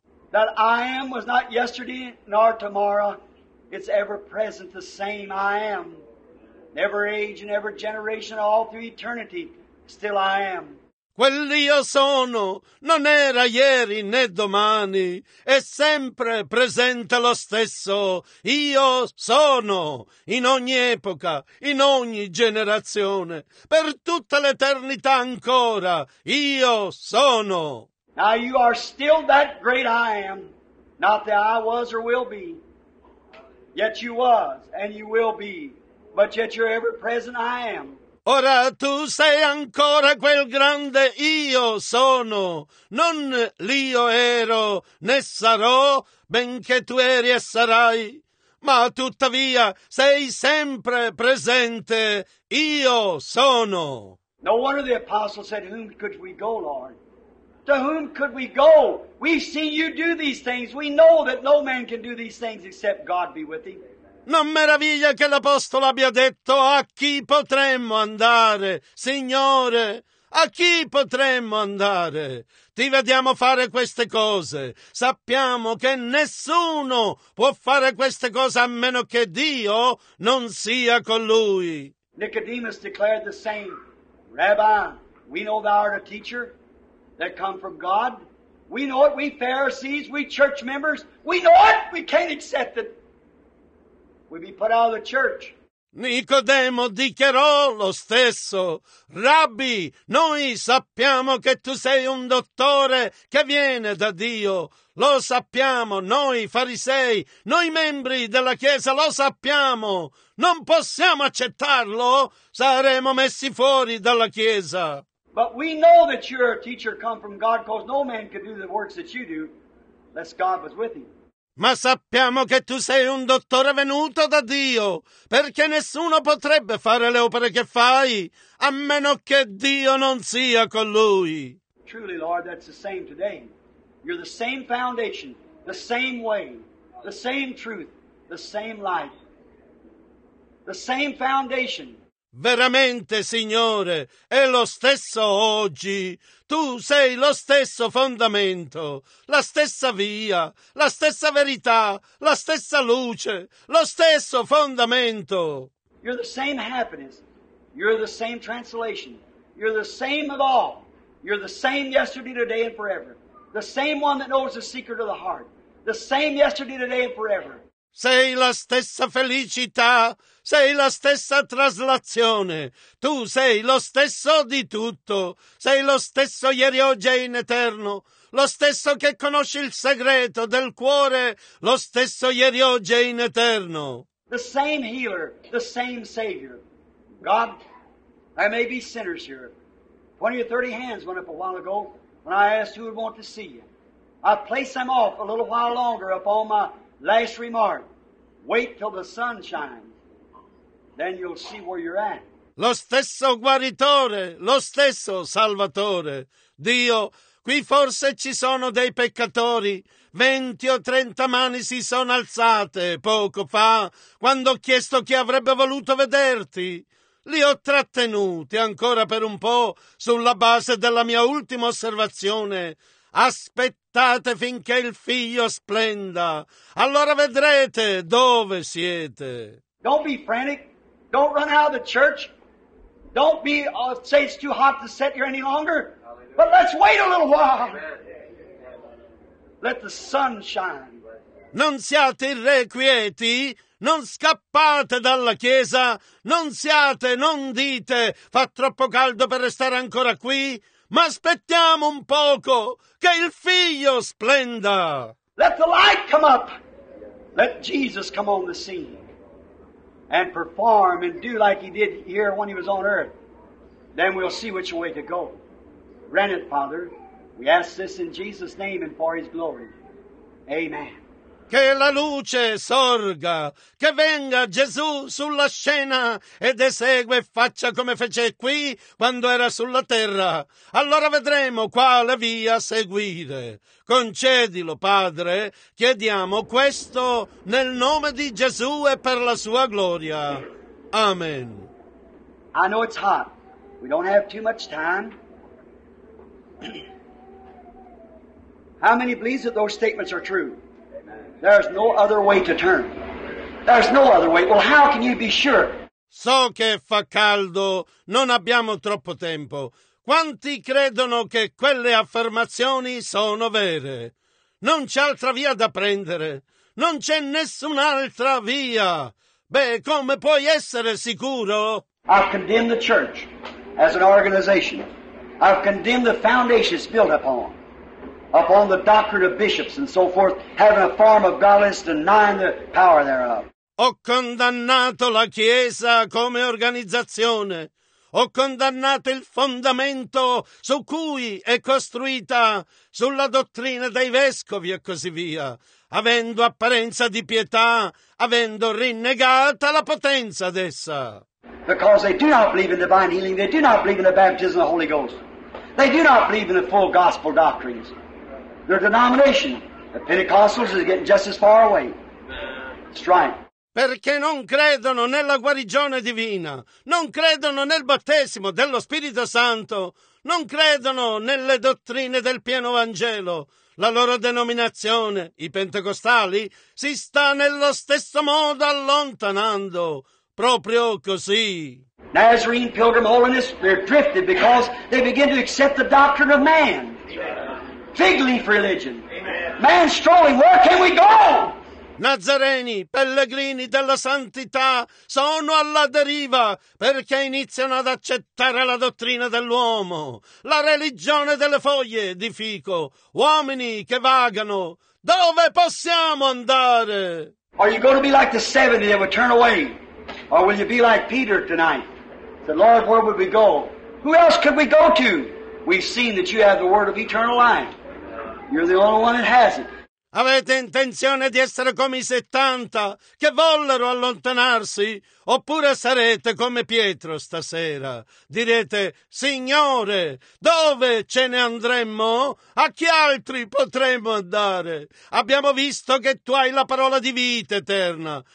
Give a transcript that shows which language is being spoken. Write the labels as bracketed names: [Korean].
[English] That I am was not yesterday nor tomorrow, it's ever present, the same I am. Every age and every generation, all through eternity, still I am. [Italian] Quell'io sono non era ieri né domani, è sempre presente lo stesso. Io sono in ogni epoca, in ogni generazione, per tutta l'eternità ancora. Io sono. [English] Now you are still that great I am, not that I was or will be. Yet you was and you will be, but yet you're ever present I am. [Italian] Ora tu sei ancora quel grande io sono, non l'io ero né sarò, benché tu eri e sarai, ma tuttavia sei sempre presente, io sono. [English] No wonder the apostle said, whom could we go, Lord? To whom could we go? We've seen you do these things. We know that no man can do these things except God be with him. [Italian] Non meraviglia che l'Apostolo abbia detto, a chi potremmo andare, Signore? A chi potremmo andare? Ti vediamo fare queste cose. Sappiamo che nessuno può fare queste cose a meno che Dio non sia con lui. [English] Nicodemus declared the same. Rabbi, we know thou art a teacher that come from God. We know it, we Pharisees, we church members. We know it, we can't accept it. We'd be put out of the church. [Italian] Nicodemo dichiarò lo stesso. Rabbi, noi sappiamo che tu sei un dottore che viene da Dio. Lo sappiamo, noi farisei, noi membri della Chiesa, lo sappiamo. Non possiamo accettarlo. Saremo messi fuori dalla Chiesa. [English] But we know that you're a teacher come from God, because no man could do the works that you do unless God was with him. [Italian] Ma sappiamo che tu sei un dottore venuto da Dio, perché nessuno potrebbe fare le opere che fai, a meno che Dio non sia con lui. [English] Truly, Lord, that's the same today. You're the same foundation, the same way, the same truth, the same life, the same foundation. [Italian] Veramente, Signore, è lo stesso oggi. Tu sei lo stesso fondamento, la stessa via, la stessa verità, la stessa luce, lo stesso fondamento. [English] You're the same happiness. You're the same translation. You're the same of all. You're the same yesterday, today, and forever. The same one that knows the secret of the heart. The same yesterday, today, and forever. [Italian] Sei la stessa felicità, sei la stessa traslazione, tu sei lo stesso di tutto, sei lo stesso ieri, oggi e in eterno, lo stesso che conosci il segreto del cuore, lo stesso ieri, oggi e in eterno. [English] the same healer, the same Savior. God, there may be sinners here. 20 or 30 hands went up a while ago when I asked who would want to see you. I place them off a little while longer upon my last remark. Wait till the sun shines. Then you'll see where you're at. [Italian] Lo stesso guaritore, lo stesso salvatore. Dio, qui forse ci sono dei peccatori. 20 o 30 mani si sono alzate poco fa, quando ho chiesto chi avrebbe voluto vederti. Li ho trattenuti ancora per un po', sulla base della mia ultima osservazione. Aspettate finché il figlio splenda, allora vedrete dove siete. [English] Don't be frantic. Don't run out of the church. Don't be, say it's too hot to sit here any longer. Hallelujah. But let's wait a little while. Let the sun shine. [Italian] Non siate irrequieti. Non scappate dalla chiesa. Non siate, non dite, fa troppo caldo per restare ancora qui. Ma aspettiamo un poco, che il figlio splenda. [English] Let the light come up. Let Jesus come on the scene. And perform and do like he did here when he was on earth. Then we'll see which way to go. Grant it, Father. We ask this in Jesus' name and for his glory. Amen. [Italian] Che la luce sorga, che venga Gesù sulla scena ed esegue e faccia come fece qui quando era sulla terra. Allora vedremo quale via seguire. Concedilo, Padre, chiediamo questo nel nome di Gesù e per la sua gloria. Amen. [English] I know it's hot. We don't have too much time. How many believe that those statements are true? There's no other way to turn. There's no other way. Well, how can you be sure? [Italian] So che fa caldo, non abbiamo troppo tempo. Quanti credono che quelle affermazioni sono vere? Non c'è altra via da prendere. Non c'è nessun'altra via. Beh, come puoi essere sicuro? [English] I've condemned the church as an organization. I've condemned the foundations built upon the doctrine of bishops and so forth, having a form of godliness, denying the power thereof. [Italian] Ho condannato la Chiesa come organizzazione. Ho condannato il fondamento su cui è costruita, sulla dottrina dei vescovi e così via, avendo apparenza di pietà, avendo rinnegata la potenza d'essa. [English] Because they do not believe in divine healing, they do not believe in the baptism of the Holy Ghost. They do not believe in the full gospel doctrines. Their denomination, the Pentecostals, is getting just as far away. Strike. [Italian] Perché non credono nella guarigione divina, non credono nel battesimo dello Spirito Santo, non credono nelle dottrine del pieno Vangelo. La loro denominazione, i pentecostali, si sta nello stesso modo allontanando. Proprio così. [English] Nazarene, Pilgrim, Holiness, they're drifted because they begin to accept the doctrine of man. Fig leaf religion. Amen. Man's strolling, where can we go? [Italian] Nazareni, pellegrini della santità, sono alla deriva perché iniziano ad accettare la dottrina dell'uomo, la religione delle foglie di fico, uomini che vagano. Dove possiamo andare? [English] Are you going to be like the 70 that would turn away? Or will you be like Peter tonight? Say, Lord, where would we go? Who else could we go to? We've seen that you have the word of eternal life. You're the only one that has it. [Italian] Avete intenzione di essere come i 70 che vollero allontanarsi? Oppure sarete come Pietro stasera? Direte, Signore, dove ce ne andremmo? A chi altri potremmo andare? Abbiamo visto che tu hai la parola di vita eterna.